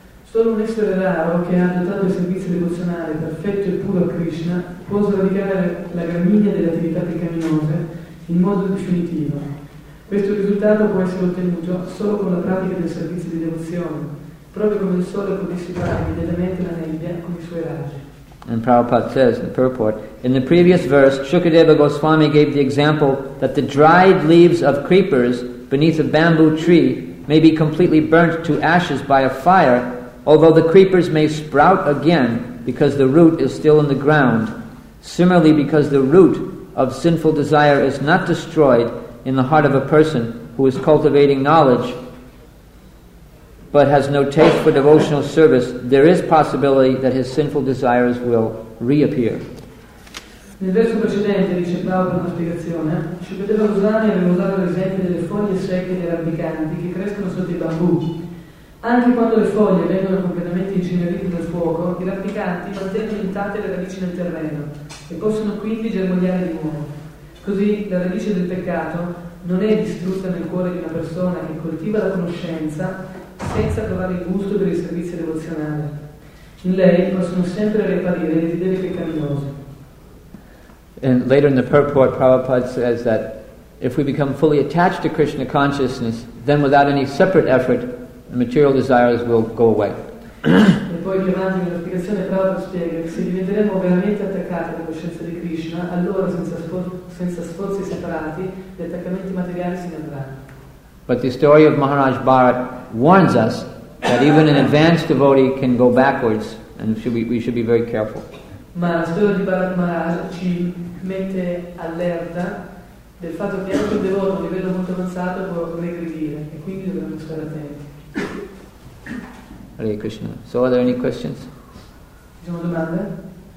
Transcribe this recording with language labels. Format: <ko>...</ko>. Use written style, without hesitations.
<it>Solo un essere raro che ha adottato il servizio devozionale perfetto e puro a Krishna può sradicare la gramigna delle attività peccaminose in modo definitivo. Questo risultato può essere ottenuto solo con la pratica del servizio di devozione, proprio come il sole può dissipare immediatamente la nebbia con i suoi raggi.</it> <en>And Prabhupada says in the purport, in the previous verse, Shukadeva Goswami gave the example that the dried leaves of creepers beneath a bamboo tree may be completely burnt to ashes by a fire, although the creepers may sprout again because the root is still in the ground. Similarly, because the root of sinful desire is not destroyed in the heart of a person who is cultivating knowledge but has no taste for devotional service, there is possibility that his sinful desires will reappear.</en> <it>Nel verso precedente dice Paolo una spiegazione. Ci vedeva Rosani aveva usato l'esempio delle foglie secche e arrampicanti che crescono sotto i bambù. Anche quando le foglie vengono completamente incinerite dal fuoco, i rampicanti mantengono intatte le radici nel terreno e possono quindi germogliare di nuovo. Così la radice del peccato non è distrutta nel cuore di una persona che coltiva la conoscenza senza trovare il gusto per il servizio devozionale. In lei possono sempre riapparire i desideri peccaminosi.</it> <en>And later in the purport, Prabhupada says that if we become fully attached to Krishna consciousness, then without any separate effort, the material desires will go away.</en> <it>E poi più avanti nell'applicazione Prabhupada spiega che se diventeremo veramente attaccati alla coscienza di Krishna, allora senza sforzi separati, gli attaccamenti materiali si andranno.</it> <en>But the story of Maharaj Bharat warns us that even an advanced devotee can go backwards, and we should be very careful.</en> <it>Ma la storia di Bharat Maharaj ci mette allerta del fatto che anche un devoto a livello molto avanzato può regredire, e quindi dobbiamo stare attenti.</it> <en>Hare Krishna. So are there any questions?</en> <it>Ci sono domande?</it>